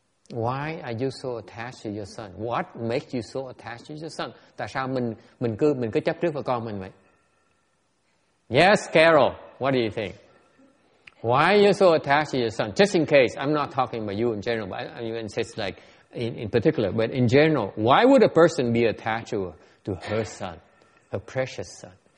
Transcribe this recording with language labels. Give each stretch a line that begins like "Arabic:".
English: Why are you so attached to your son? What makes you so attached to your son?
Vietnamese: Tại sao mình cứ chấp trước vào con mình vậy?
English: Yes, Carol, what do you think? Why are you so attached to your son? Just in case, I'm not talking about you in general, but I mean, it's like in particular, but in general, why would a person be attached to her son, her precious son?